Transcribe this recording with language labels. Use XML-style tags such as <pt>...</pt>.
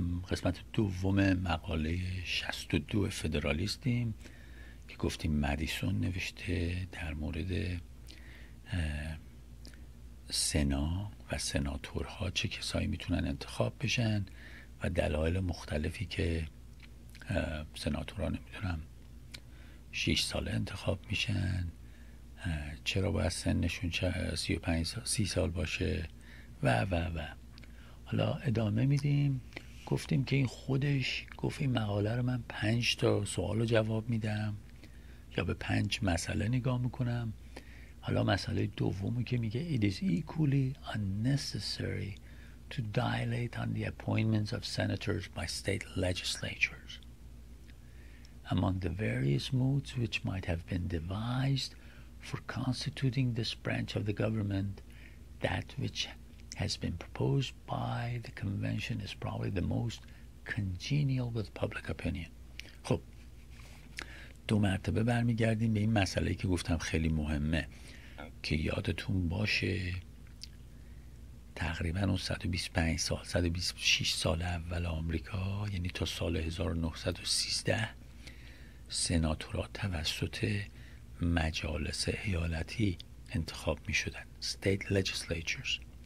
<fa>قسمت دوم مقاله 62 فدرالیستیم که گفتیم مدیسون نوشته در مورد سنا و سناتورها چه کسایی میتونن انتخاب بشن و دلایل مختلفی که سناتورها نمیدونم 6 ساله انتخاب میشن، چرا باید سنشون 35 سال 30 سال باشه و و و. حالا ادامه میدیم. گفتیم که این خودش گفت این مقاله رو من 5 تا سوال رو جواب میدم یا به 5 مسئله نگاه میکنم. حالا مسئله دومی که میگه</fa> <en>it is equally unnecessary to dilate on the appointments of senators by state legislatures among the various modes which might have been devised for constituting this branch of the government, that which has been proposed by the convention is probably the most congenial with public opinion.</en> <fa>خب دو مرتبه برمیگردیم به این مسئله که گفتم خیلی مهمه که یادتون باشه تقریبا اون 125 سال 126 سال اول آمریکا، یعنی تا سال 1913 سناتورها توسط مجالس ایالتی انتخاب می شدن، state legislatures.</fa>